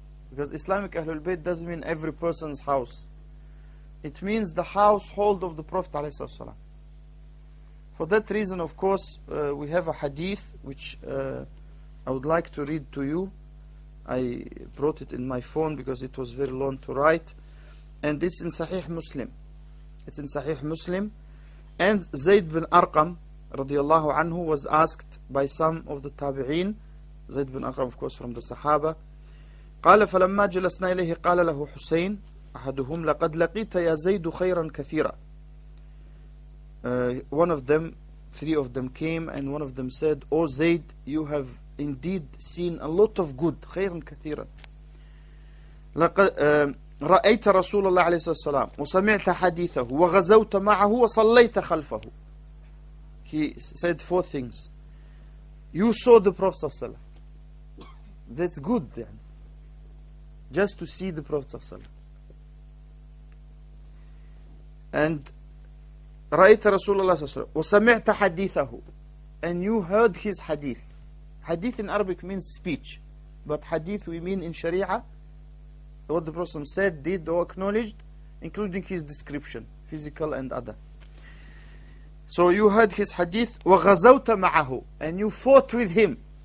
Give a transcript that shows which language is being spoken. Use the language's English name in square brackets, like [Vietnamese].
[English] Because Islamic Ahlul Bayt doesn't mean every person's house. It means the household of the Prophet ﷺ. For that reason, of course, we have a hadith which I would like to read to you. I brought it in my phone because it was very long to write. And it's in Sahih Muslim. It's in Sahih Muslim. And Zayd bin Arqam radiallahu anhu was asked by some of the Tabi'een. Zayd bin Arqam, of course, from the Sahaba. [Arabic] قال فلما جلسنا إليه قال له حسين أحدهم لقد لقيت يا زيد خيرا كثيرا. [English] One of them, three of them came and one of them said, O Zayd, you have indeed seen a lot of good, [Arabic] خيرا كثيرا. لقد رأيت رسول الله عليه السلام وسمعت حديثه وغزوت معه وصليت خلفه. [English] He said four things. You saw the Prophet [Arabic] صلى الله عليه وسلم. [English] That's good then. Just to see the Prophet ﷺ. [Arabic] And رأيت رسول الله صلى الله عليه وسلم وسمعت حديثه. [English] And you heard his hadith. Hadith in Arabic means speech. But hadith we mean in Sharia, what the Prophet ﷺ said, did, or acknowledged, including his description, physical and other. So you heard his hadith [Arabic] وغزوت معه. [English] And you fought with him.